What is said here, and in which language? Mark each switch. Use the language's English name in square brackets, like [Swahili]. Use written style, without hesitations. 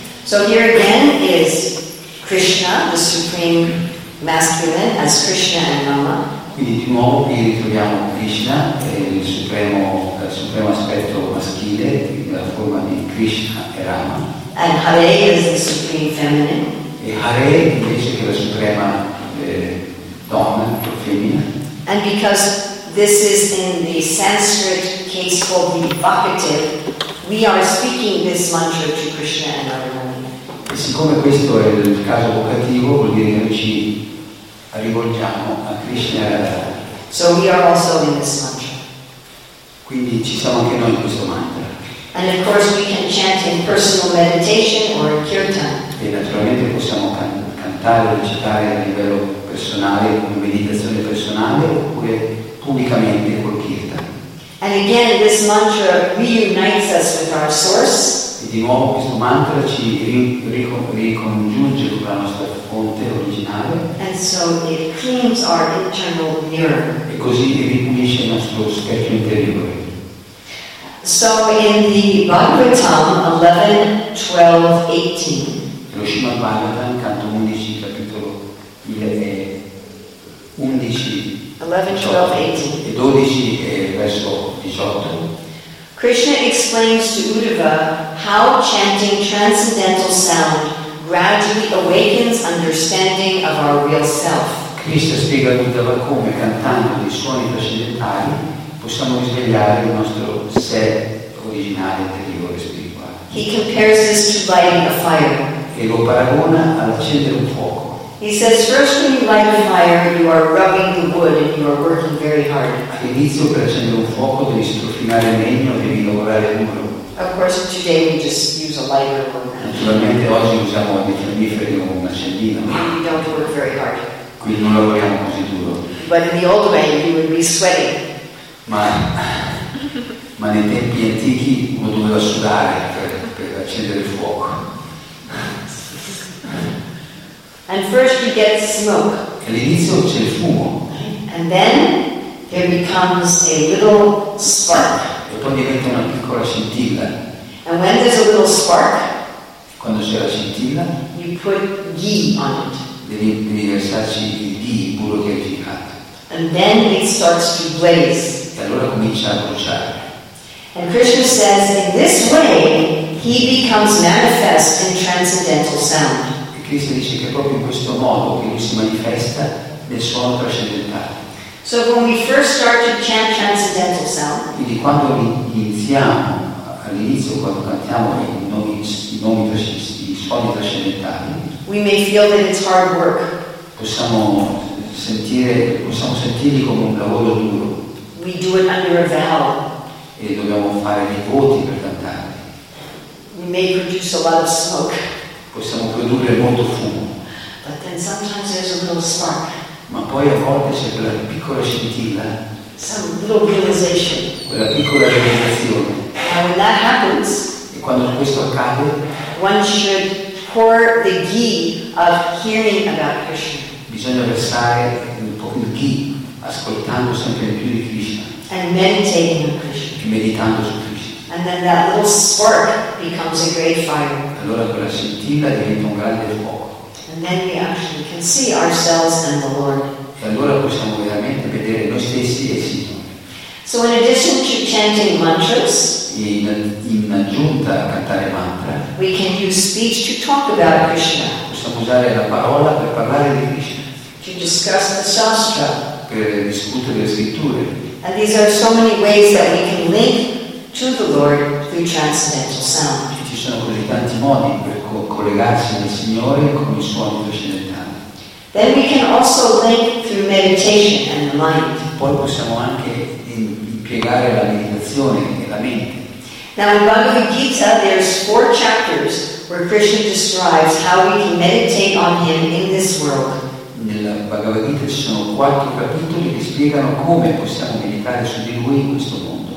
[English] So here again is Krishna, the supreme masculine, as Krishna and Rama. [Italian] Quindi di nuovo qui ritroviamo Krishna, il supremo aspetto maschile, la forma di Krishna e Rama. [English] And Hare is the supreme feminine. [Italian] E Hare invece che la suprema donna, la femmina. [English] And because this is in the Sanskrit case called the vocative, we are speaking this mantra to Krishna and Rama. [Italian] E siccome questo è il caso vocativo, vuol dire che noi ci rivolgiamo a Krishna e a Radha. [English] So we are also in this mantra. [Italian] Quindi ci siamo anche noi in questo mantra. [English] And of course we can chant in personal meditation or in kirtan. [Italian] E naturalmente possiamo cantare o recitare a livello personale, in meditazione personale, oppure pubblicamente col kirtan. [English] And again, this mantra reunites us with our source. [Italian] E di nuovo questo mantra ci ricongiunge con la nostra fonte originale. [English] And so it cleans our internal mirror. [Italian] E così ripulisce il nostro specchio interiore. [English] So in the Bhagavatam 11:12-18. [Italian] Lo Srimad Bhagavatam, canto 11, capitolo 11. [English] 11:12-18. Krishna explains to Uddhava how chanting transcendental sound gradually awakens understanding of our real self. [Italian] Krishna spiega ad Uddhava come cantando dei suoni trascendentali possiamo risvegliare il nostro sé originale interiore spirituale. [English] He compares this to lighting a fire. [Italian] E lo paragona all'accendere un fuoco. [English] He says, first when you light a fire, you are rubbing the wood and you are working very hard. [Italian] All'inizio per accendere un fuoco devi strofinare il legno, devi lavorare duro. [English] Of course, today we just use a lighter or match. [Italian] Naturalmente oggi usiamo dei fiammiferi o un accendino. [English] We don't work very hard. [Italian] Quindi non lavoriamo così duro. [English] But in the old way, you would be sweating. [Italian] Ma nei tempi antichi uno doveva sudare per accendere il fuoco. [English] And first you get smoke. [Italian] All'inizio c'è il fumo. [English] And then there becomes a little spark. [Italian] E poi diventa una piccola scintilla. [English] And when there's a little spark, [Italian] quando c'è la scintilla, [English] you put ghee on it. [Italian] Devi versarci il ghee, burro che hai girato. [English] And then it starts to blaze. [Italian] E allora comincia a bruciare. [English] And Krishna says, in this way, he becomes manifest in transcendental sound. [Italian] Krishna dice che proprio in questo modo che lui si manifesta nel suono trascendentale. [English] So when we first start to chant transcendental sound, [Italian] quindi quando iniziamo, all'inizio quando cantiamo i suoni trascendentali, [English] we may feel that it's hard work. [Italian] Possiamo sentirli come un lavoro duro. [English] We do it under a vow. [Italian] E dobbiamo fare dei voti per cantare. [English] We may produce a lot of smoke. [Italian] Possiamo produrre molto fumo. [English] But then sometimes there's a little spark. [Italian] Ma poi a volte c'è quella piccola scintilla. [English] Some little realization. [Italian] Quella piccola realizzazione. [English] And when that happens, [Italian] e quando questo accade, [English] one should pour the ghee of hearing about Krishna. [Italian] Bisogna versare un po' il ghee, ascoltando sempre più di Krishna. [English] And meditating on Krishna. [Italian] E meditando su Krishna. [English] And then that little spark becomes a great fire. [Italian] Allora quella scintilla diventa un grande fuoco. [English] And then we actually can see ourselves and the Lord. [Italian] E allora possiamo veramente vedere noi stessi e il Signore. [English] So in addition to chanting mantras, [Italian] in aggiunta a cantare mantra, [English] we can use speech to talk about Krishna. [Italian] Possiamo usare la parola per parlare di Krishna. [English] To discuss the shastra. [Italian] Per discutere le scritture. [English] And these are so many ways that we can link to the Lord through transcendental sound. [Italian] Ci sono così tanti modi per collegarsi al Signore con i suoni trascendentali. [English] Then we can also link through meditation and the mind. [Italian] Poi possiamo anche impiegare la meditazione e la mente. [English] Now in Bhagavad Gita there's 4 chapters where Krishna describes how we can meditate on Him in this world. [Italian] Nella Bhagavad Gita ci sono 4 capitoli che spiegano come possiamo meditare su di Lui in questo mondo.